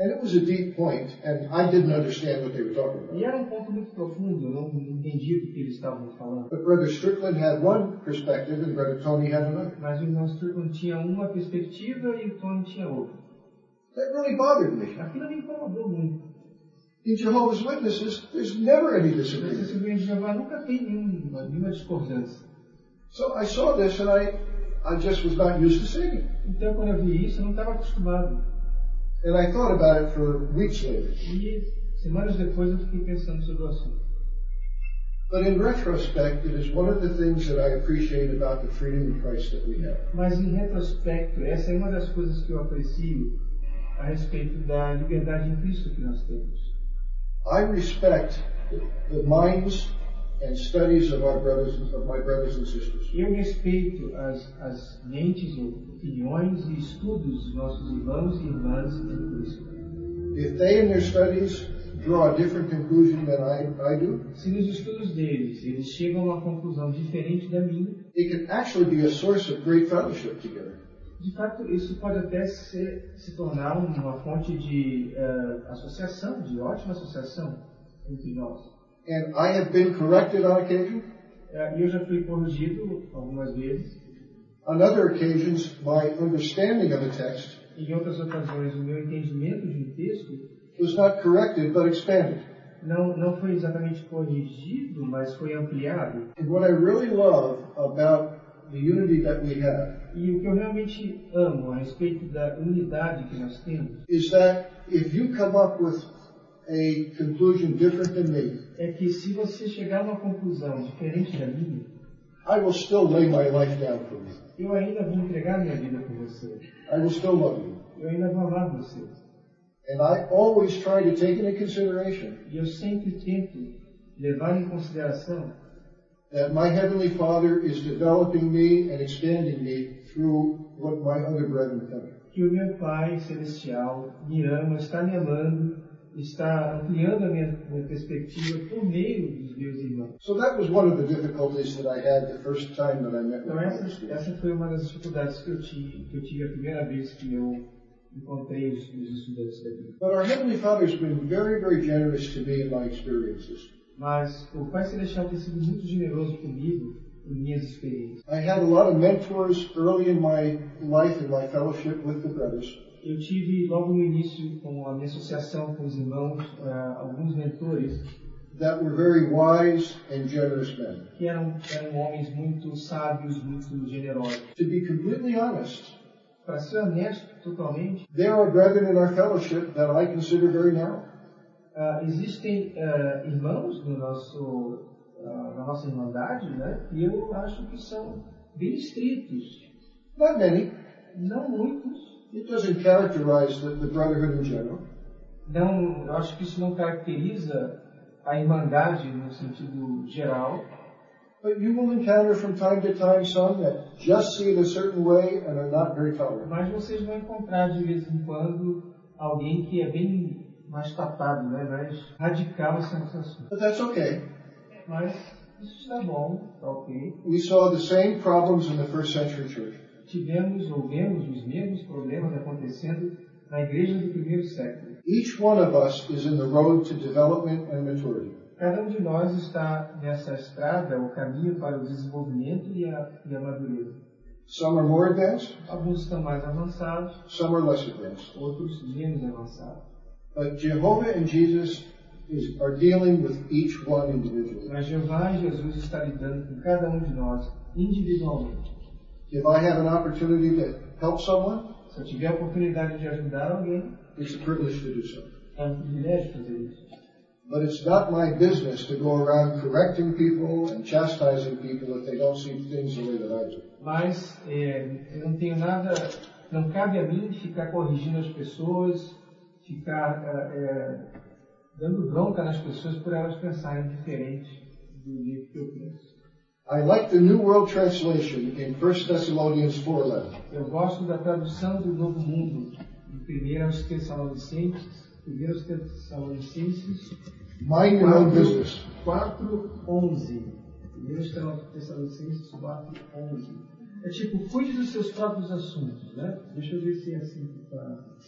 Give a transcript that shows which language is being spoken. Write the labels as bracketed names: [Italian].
[English] And it was a deep point, and I didn't understand what they were talking about. [Portuguese] E era ponto muito profundo, eu não entendia o que eles estavam falando. [English] But Brother Strickland had one perspective, and Brother Tony had another. [Portuguese] Mas o irmão Strickland tinha uma perspectiva e o Tony tinha outra. [English] That really bothered me. [Portuguese] Aquilo me incomodou muito. [English] In Jehovah's Witnesses, there's never any disagreement. [Portuguese] Nas testemunhas de Jeová nunca tem nenhuma discordância. [English] So I saw this, and I just was not used to seeing it. [Portuguese] Então, quando eu vi isso, eu não estava acostumado. [English] And I thought about it for weeks later. [Portuguese] E semanas depois, eu fiquei pensando sobre o assunto. [English] But in retrospect, it is one of the things that I appreciate about the freedom of Christ that we have. [Portuguese] Mas em retrospecto, essa é uma das coisas que eu aprecio a respeito da liberdade em Cristo que nós temos. [English] I respect the minds and studies of our brothers and of my brothers and sisters. [Portuguese] E respeito às mentes, opiniões e estudos dos nossos irmãos e irmãs em Cristo. [English] If they in their studies draw a different conclusion than I do, [Portuguese] se nos estudos deles eles chegam a uma conclusão diferente da minha, [English] it can actually be a source of great fellowship together. [Portuguese] De fato, isso pode até se tornar uma fonte de associação, de ótima associação entre nós. [English] And I have been corrected on occasion. [Portuguese] Eu já fui corrigido algumas vezes. [English] On other occasions, my understanding of a text. [Portuguese] Em outras ocasiões, o meu entendimento de um texto [English] was not corrected, but expanded. [Portuguese] Não foi exatamente corrigido, mas foi ampliado. [English] And what I really love about the unity that we have. [Portuguese] E o que eu realmente amo a respeito da unidade que nós temos [English] is that if you come up with a conclusion different than me, [Portuguese] é que se você chegar a uma conclusão diferente da minha, [English] I will still lay my life down for you. [Portuguese] Eu ainda vou entregar minha vida por você. [English] I will still love you. [Portuguese] Eu ainda vou amar você. [English] And I always try to take into consideration, [Portuguese] e eu sempre tento levar em consideração, [English] that my Heavenly Father is developing me and expanding me through what my other brethren have. [Portuguese] Que o meu Pai Celestial me ama, está me amando, está ampliando a minha perspectiva por meio dos meus irmãos. [English] So that was one of the difficulties that I had the first time that I met with [Portuguese] Então essa foi uma das dificuldades que eu tive a primeira vez que eu encontrei os estudantes da Bíblia. [English] But our Heavenly Father has been very, very generous to me in my experiences. [Portuguese] Mas o Pai Celestial tem sido muito generoso comigo em minhas experiências. [English] I had a lot of mentors early in my life and my fellowship with the brothers. [Portuguese] Eu tive logo no início com a minha associação com os irmãos alguns mentores [English] that were very wise and generous men. [Portuguese] Que eram homens muito sábios, muito generosos. [English] To be completely honest, [Portuguese] para ser honesto totalmente, [English] there are brethren in our fellowship that I consider very narrow. [Portuguese] Existem irmãos no nosso, na nossa irmandade, né? E eu acho que são bem estritos. [English] Not many. [Portuguese] Não muitos. [English] It doesn't characterize the brotherhood in general. [Portuguese] Não, eu acho que isso não caracteriza a irmandade no sentido geral. [English] But you will encounter from time to time some that just see it a certain way and are not very tolerant. [Portuguese] Mas vocês vão encontrar de vez em quando alguém que é bem mais tapado, né? Mais radical esse assunto. [English] But that's okay. [Portuguese] Mas isso está bom, está ok. [English] We saw the same problems in the first century church. [Portuguese] Tivemos ou vemos os mesmos problemas acontecendo na igreja do primeiro século. [English] Each one of us is in the road to development and maturity. [Portuguese] Cada um de nós está nessa estrada, o caminho para o desenvolvimento e a madureza. [English] Some are more advanced. [Portuguese] Alguns estão mais avançados. [English] Some are less advanced. [Portuguese] Outros menos avançados. [English] But Jehovah and Jesus are dealing with each one individually. [Portuguese] Mas Jeová e Jesus está lidando com cada um de nós individualmente. [English] If I have an opportunity to help someone, [Portuguese] se eu tiver a oportunidade de ajudar alguém, [English] it's a privilege to do so. [Portuguese] É um privilégio fazer isso. [English] But it's not my business to go around correcting people and chastising people if they don't see things the way that I do. [Portuguese] Mas eu não tenho nada, não cabe a mim ficar corrigindo as pessoas, ficar dando bronca nas pessoas por elas pensarem diferente do jeito que eu penso. [English] I like the New World Translation in 1 Thessalonians 4:11. [Portuguese] Eu gosto da tradução do Novo Mundo em 1 Tessalonicenses. [English] Mind your own business. [Portuguese] 4:11. 1 Tessalonicenses 4:11. É tipo, cuide dos seus próprios assuntos, né? Deixa eu ver se é assim que tá.